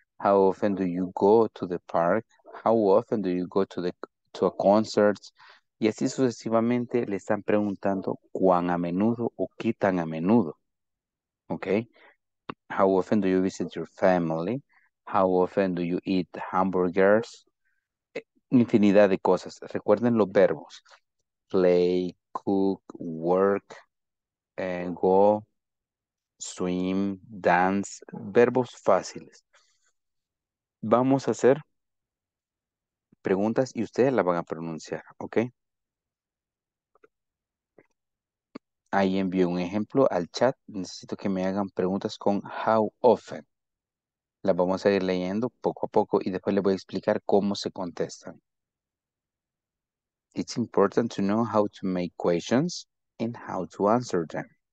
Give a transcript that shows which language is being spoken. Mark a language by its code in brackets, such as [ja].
[en] How often do you go to the park? How often do you go to a concert? [es] Y así sucesivamente le están preguntando cuán a menudo o qué tan a menudo. [en] Okay, how often do you visit your family? How often do you eat hamburgers? [es] Infinidad de cosas. Recuerden los verbos. [en] play, cook, work, go, swim, dance, [es] verbos fáciles. Vamos a hacer preguntas y ustedes las van a pronunciar, ¿ok? Ahí envío un ejemplo al chat. Necesito que me hagan preguntas con how often. Las vamos a ir leyendo poco a poco y después les voy a explicar cómo se contestan. [en] It's important to know how to make questions and how to answer them.